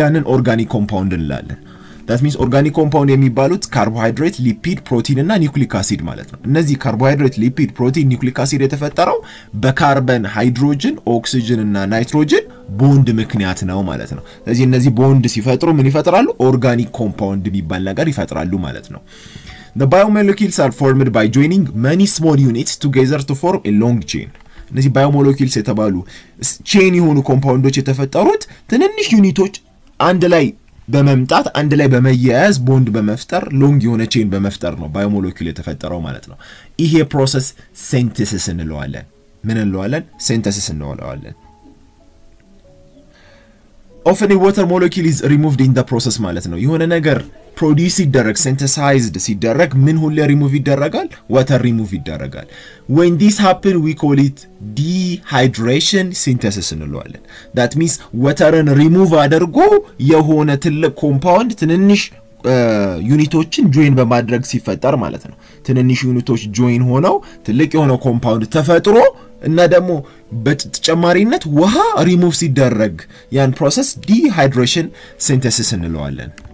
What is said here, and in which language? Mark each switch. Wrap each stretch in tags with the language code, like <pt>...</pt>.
<am>ያንን ኦርጋኒክ ኮምፓውንድ እንላለን።</am> <en>that means</en> <am>ኦርጋኒክ ኮምፓውንድ የሚባሉት ካርቦሃይድሬት፣ ሊፒድ፣ ፕሮቲን እና ኒውክሊክ አሲድ ማለት ነው። እነዚህ ካርቦሃይድሬት፣ ሊፒድ፣ ፕሮቲን፣ ኒውክሊክ አሲድ የተፈጠረው በካርበን፣ ሃይድሮጅን፣ ኦክሲጅን እና ናይትሮጅን ቦንድ ምክንያት ነው ማለት ነው። ስለዚህ እነዚህ ቦንድ ሲፈጥሩ ምን ይፈጥራሉ? ኦርጋኒክ ኮምፓውንድ የሚባል ነገር ይፈጥራሉ ማለት ነው።</am> <en>The biomolecules are formed by joining many small units together to form a long chain.</en> <am>እነዚህ ባዮሞለኪልስ የተባሉ ቼን የሆኑ ኮምፓውንዶች የተፈጠሩት ትንንሽ ዩኒቶች አንድ ላይ በመምጣት አንድ ላይ በመያያዝ ቦንድ በመፍጠር ሎንግ የሆነ ቼን በመፍጠር ነው ባዮሞለኪል የተፈጠረው ማለት ነው። ይሄ ፕሮሰስ ሲንተሲስ እንለዋለን። ምን እንለዋለን? ሲንተሲስ እንለዋለን።</am> <en>Often a water molecule is removed in the process</en> <am>ማለት ነው። የሆነ ነገር produce ይደረግ synthesized ሲደረግ ምን ሁሌ remove ይደረጋል? water remove ይደረጋል።</am> <en>when this happen we call it dehydration synthesis</en> <am>እንለዋለን።</am> <en>that means</en> <am>waterን remove አድርጎ የሆነ ትልቅ ኮምፓውንድ ትንንሽ ዩኒቶችን join በማድረግ ሲፈጠር ማለት ነው። ትንንሽ ዩኒቶች join ሆነው ትልቅ የሆነ ኮምፓውንድ ተፈጥሮ እና ደግሞ በተጨማሪነት ውሃ remove ሲደረግ ያን process dehydration synthesis እንለዋለን።</am>